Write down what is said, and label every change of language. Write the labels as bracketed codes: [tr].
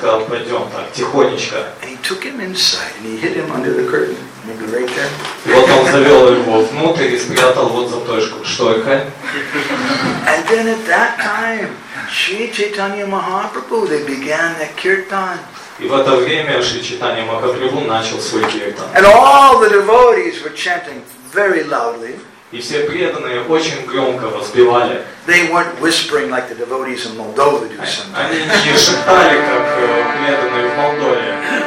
[en] And he took him inside and he hid him under the curtain, maybe right there. [ru] Вот он завел его внутрь и спрятал вот за той шторкой. [en] And then at that time, Sri Chaitanya Mahaprabhu, they began the kirtan. [ru] И в это время Шри Чайтанья Махапрабху начал свой киртан. [en] And all the devotees were chanting very loudly. [ru] И все преданные очень громко воспевали. [en] They weren't whispering like the devotees in Moldova do sometimes. [ru] Они не шептали, как преданные в Молдове.